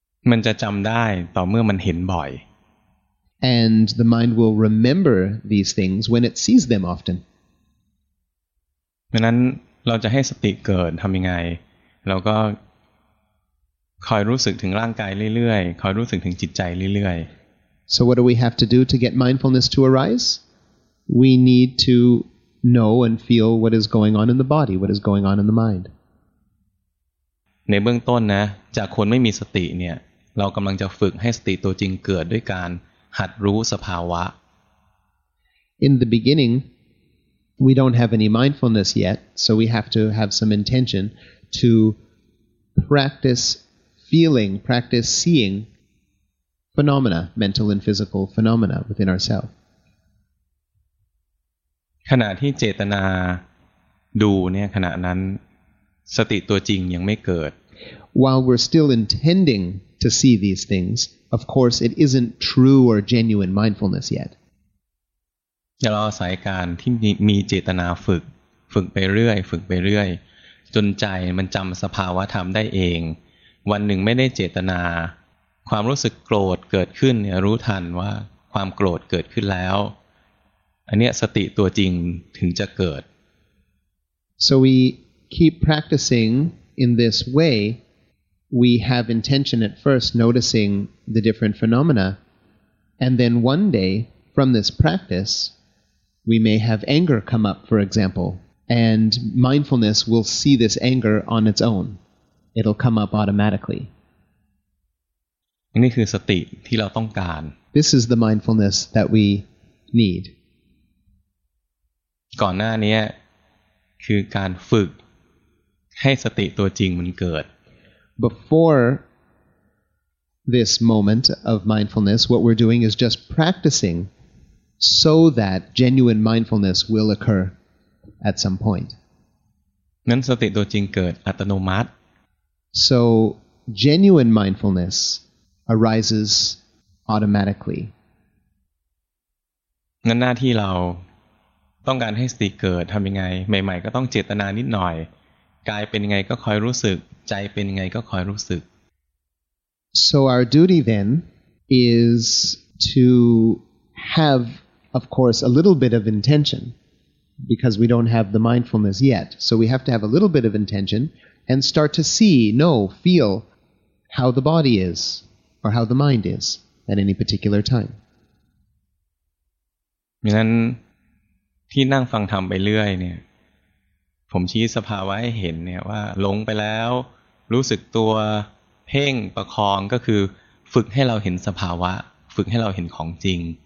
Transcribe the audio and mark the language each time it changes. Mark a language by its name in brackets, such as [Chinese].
[Thai] มันจะจำได้ต่อเมื่อมันเห็นบ่อย [English] And the mind will remember these things when it sees them often [Thai] ดังนั้นเราจะให้สติเกิดทำยังไงเราก็ คอยรู้สึกถึงร่างกายเรื่อยๆคอยรู้สึกถึงจิตใจเรื่อย [English] ๆ So what do we have to do to get mindfulness to arise? We need to know and feel what is going on in the body, what is going on in the mind. [Thai] ในเบื้องต้นนะจากคนไม่มีสติเนี่ยเรากำลังจะฝึกให้สติตัวจริงเกิดด้วยการหัดรู้สภาวะ [English] In the beginning, we don't have any mindfulness yet, so we have to have some intention to practice feeling, practice seeing phenomena, mental and physical phenomena within ourselves. [Thai] ขณะที่เจตนาดูเนี่ยขณะนั้นสติตัวจริงยังไม่เกิด [English] While we're still intending to see these things, of course, it isn't true or genuine mindfulness yet. [Thai] เราอาศัยการที่มีเจตนาฝึกไปเรื่อยฝึกไปเรื่อยจนใจมันจำสภาวะธรรมได้เองวันหนึ่งไม่ได้เจตนาความรู้สึกโกรธเกิดขึ้นเนี่ยรู้ทันว่าความโกรธเกิดขึ้นแล้วอันเนี้ยสติตัวจริงถึงจะเกิด [English] So we keep practicing in this way we have intention at first noticing the different phenomena and then one dayFrom this practice, we may have anger come up, for example, and mindfulness will see this anger on its own. It'll come up automatically. [Thai] นี่คือสติที่เราต้องการ [English] This is the mindfulness that we need. [Thai] ก่อนหน้านี้คือการฝึกให้สติตัวจริงมันเกิด [English] Before this moment of mindfulness, what we're doing is just practicing. So that genuine mindfulness will occur at some point. [Thai] นั้นสติตัวจริงเกิดอัตโนมัติ [English] So genuine mindfulness arises automatically. [Thai] งั้นหน้าที่เราต้องการให้สติเกิดทำยังไงใหม่ๆก็ต้องเจตนานิดหน่อยกายเป็นยังไงก็คอยรู้สึกใจเป็นยังไงก็คอยรู้สึก [English] So our duty then is to haveOf course, a little bit of intention, because we don't have the mindfulness yet. So we have to have a little bit of intention and start to see, know, feel how the body is or how the mind is at any particular time. [Thai] ดังนั้นที่นั่งฟังธรรมไปเรื่อยเนี่ยผมชี้สภาวะให้เห็นเนี่ยว่าหลงไปแล้วรู้สึกตัวเพ่งประคองก็คือฝึกให้เราเห็นสภาวะฝึกให้เราเห็นของจริง